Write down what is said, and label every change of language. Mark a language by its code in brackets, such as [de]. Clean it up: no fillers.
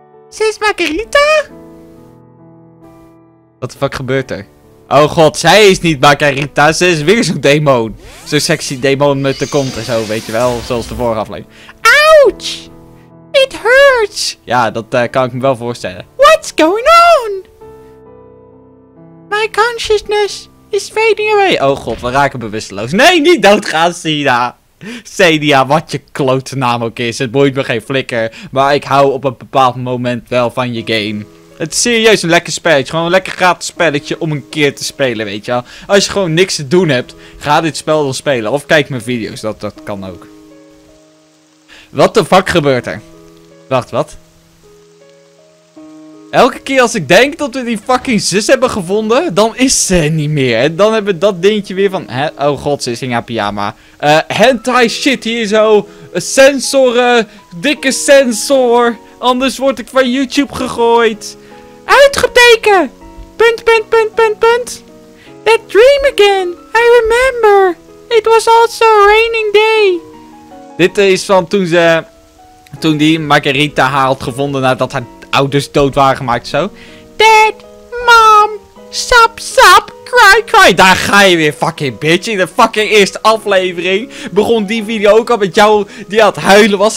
[nl] Ze is Margarita? [en] What the fuck [nl] gebeurt er? Oh god, zij is niet Margarita, ze is weer zo'n demon. Zo'n sexy demon met de kont en zo, weet je wel, zoals de vorige aflevering. Ouch! [en] It hurts! [nl] Ja, dat kan ik me wel voorstellen. [en] What's going on? My consciousness is fading away. [nl] Oh god, we raken bewusteloos. Nee, niet doodgaan, Sina! Cedia, wat je klote naam ook is, het boeit me geen flikker. Maar ik hou op een bepaald moment wel van je game. Het is serieus een lekker spelletje. Gewoon een lekker gratis spelletje om een keer te spelen, weet je wel. Als je gewoon niks te doen hebt, ga dit spel dan spelen. Of kijk mijn video's, dat kan ook. [en] What the fuck [nl] gebeurt er? Wacht, wat? Elke keer als ik denk dat we die fucking zus hebben gevonden, dan is ze niet meer. En dan hebben we dat dingetje weer van... Hè? Oh god, ze is in haar pyjama. Hentai shit hier zo. Sensoren. Dikke sensor. Anders word ik van YouTube gegooid. Uitgeteken. ...... [en] That dream again. I remember. It was also a raining day. [nl] Dit is van toen ze... toen die Margarita haar had gevonden nadat haar ouders dood waren gemaakt zo. [en] Dad, mom, sap, sap, cry, cry. [nl] Daar ga je weer, fucking bitch. In de fucking eerste aflevering begon die video ook al met jou die aan het huilen was.